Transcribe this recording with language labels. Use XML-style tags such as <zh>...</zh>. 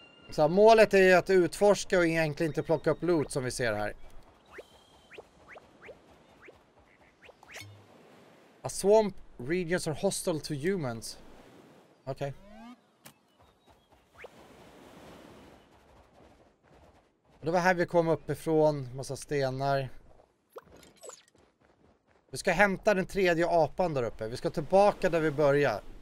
<sv>Så målet är att utforska och egentligen inte plocka upp loot som vi ser här.</sv> <en>A swamp regions are hostile to humans.</en> <sv>Okej.</sv> <en>Okay.</en> <sv>Det var här vi kom uppifrån. Massa stenar. Vi ska hämta den tredje apan där uppe. Vi ska tillbaka där vi började.</sv>